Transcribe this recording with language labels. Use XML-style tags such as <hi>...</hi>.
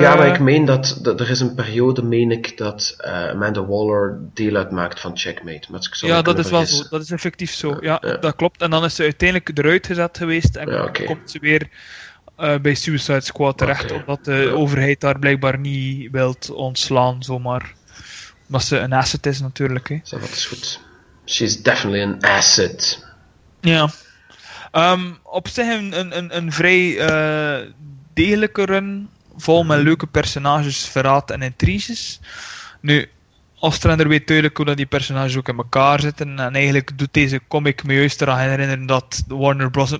<nl>Ja, maar ik meen dat er is een periode, meen ik, dat Amanda Waller deel uitmaakt van Checkmate. Maar ik ja, dat is vergissen. Wel zo. Dat is effectief zo. Ja, dat klopt. En dan is ze uiteindelijk eruit gezet geweest en komt ze weer bij Suicide Squad terecht. Okay. Omdat de overheid daar blijkbaar niet wilt ontslaan, zomaar. Omdat ze een asset is, natuurlijk, hè. Zo, dat is goed.</nl> <en>She's definitely an asset.</en> <nl>Ja. Op zich een vrij degelijke run, vol met leuke personages, verraad en intriges. Nu, Ostrander weet duidelijk hoe dat die personages ook in elkaar zitten. En eigenlijk doet deze comic me juist eraan herinneren dat Warner Bros.</nl>